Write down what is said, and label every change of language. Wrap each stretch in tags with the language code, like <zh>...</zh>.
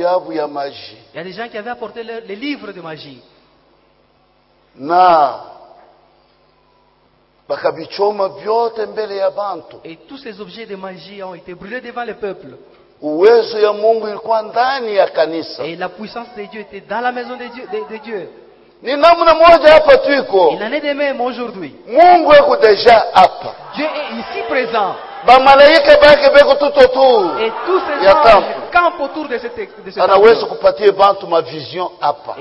<fr>y a des gens qui avaient apporté les livres de magie.</fr> <sw>Na, bakabichoma byote mbele ya bantu.</sw> <fr>Et tous ces objets de magie ont été brûlés devant le peuple.</fr> <sw>Uwezo ya Mungu ilikuwa ndani ya kanisa.</sw> <fr>Et la puissance de Dieu était dans la maison de Dieu.</fr> <sw>Ni namna moja hapa tuiko.</sw> <fr>Il en est de même aujourd'hui.</fr> <sw>Mungu yuko déjà hapa.</sw> <fr>Dieu est ici présent.</fr> <sw>Ba malaika bake beko</sw> <fr>tout autour. Et tous ces anges campent autour de cette temple.</fr> <sw>Anaweza kupatia bantu ma vision hapa.</sw>